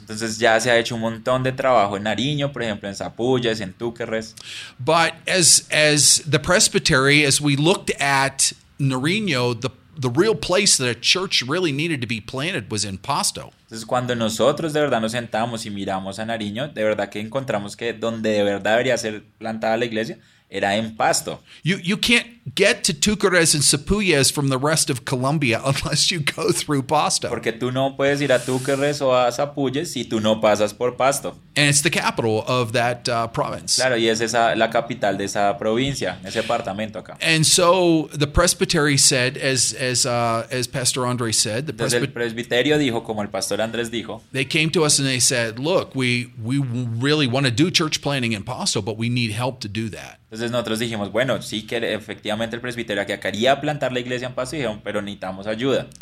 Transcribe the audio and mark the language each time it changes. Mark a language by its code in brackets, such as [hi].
[es] Entonces ya se ha hecho un montón de trabajo en Nariño, por ejemplo en Sapuyes, en Tucares. [en] But as the presbytery, as we looked at Nariño, the real place that a church really needed to be planted was in Pasto. [es] Entonces, cuando nosotros de verdad nos sentamos y miramos a Nariño, de verdad que encontramos que donde de verdad debería ser plantada la iglesia era en Pasto. [en] You can't get to Tucares and Sapuyes from the rest of Colombia unless you go through Pasto. [es] Porque tú no puedes ir a Tucares o a Sapuyes si tú no pasas por Pasto. [en] And it's the capital of that province. [es] Claro, y es esa la capital de esa provincia, ese departamento acá. [en] And so the presbytery said, as Pastor Andre said, [es] el presbiterio dijo, como el pastor Andrés dijo, [en] they came to us and they said, look, we really want to do church planting in Pasto, but we need help to do that. [es] Entonces nosotros dijimos, bueno, sí que efectivamente el presbiterio acá quería plantar la iglesia en Pasto, pero necesitamos ayuda.